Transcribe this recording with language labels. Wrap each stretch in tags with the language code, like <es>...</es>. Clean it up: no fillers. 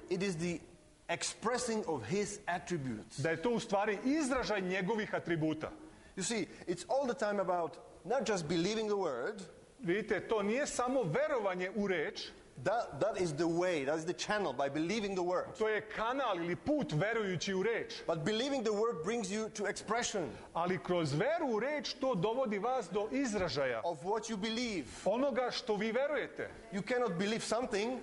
<en>it is the expressing of his attributes.</en> <sr>Da je to u stvari izražaj njegovih atributa.</sr> <en>You see, it's all the time about not just believing the word.</en> <sr>Vidite, to nije samo vjerovanje u riječ.</sr> <en>That is the way, that is the channel by believing the word.</en> <sr>To je kanal ili put vjerujući u riječ.</sr> <en>But believing the word brings you to expression.</en> <sr>Ali kroz vjeru u riječ to dovodi vas do izražaja.</sr> <en>Of what you believe.</en> <sr>Onoga što vi vjerujete.</sr> <en>You cannot believe something.</en>